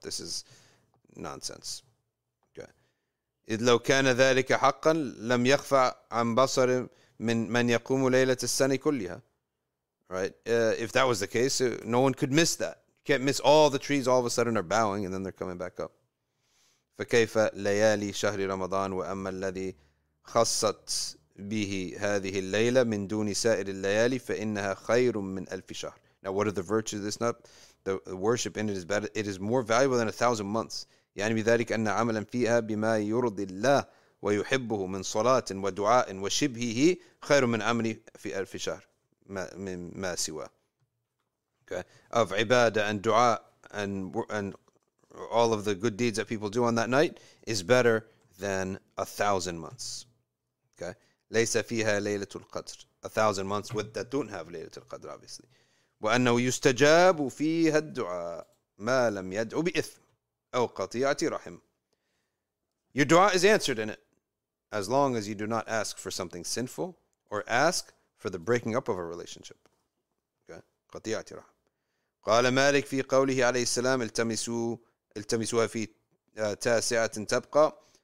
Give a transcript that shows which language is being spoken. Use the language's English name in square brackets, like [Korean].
[English] This is nonsense. [Arabic] إِذْ لَوْ كَانَ ذَلِكَ حَقًّا لَمْ يَخْفَعْ عَنْ بَصَرٍ مِنْ مَنْ يَقُومُ لَيْلَةَ السَّنِي كُلِّهَا. [English] Right? If that was the case, no one could miss that. You can't miss all the trees all of a sudden are bowing and then they're coming back up. [Arabic] فكيف ليالي شهر رمضان وأما الذي خصت به هذه الليلة من دون سائر الليالي فإنها خير من ألف شهر. [English] Now what are the virtues of this night? The worship in it is better. It is more valuable than 1,000 months. [Arabic] يعني بذلك أن عملا فيها بما يرضي الله ويحبه من صلاة ودعاء وشبهه خير من عملي في ألف شهر ما سوى. [English] Okay. Of عبادة and دعاء and all of the good deeds that people do on that night is better than 1,000 months. [Arabic] Okay, ليس فيها ليلة القدر. [English] 1,000 months with that don't have ليلة القدر, obviously. [Arabic] وأنه يستجاب فيها الدعاء ما لم يدعو بإثم أو قطيعة رحم. [English] Your dua is answered in it, as long as you do not ask for something sinful or ask for the breaking up of a relationship. [Arabic] Okay, قطيعة رحم. قال مالك في قوله عليه السلام التمسوا التمسوها في تاسعة تبقى.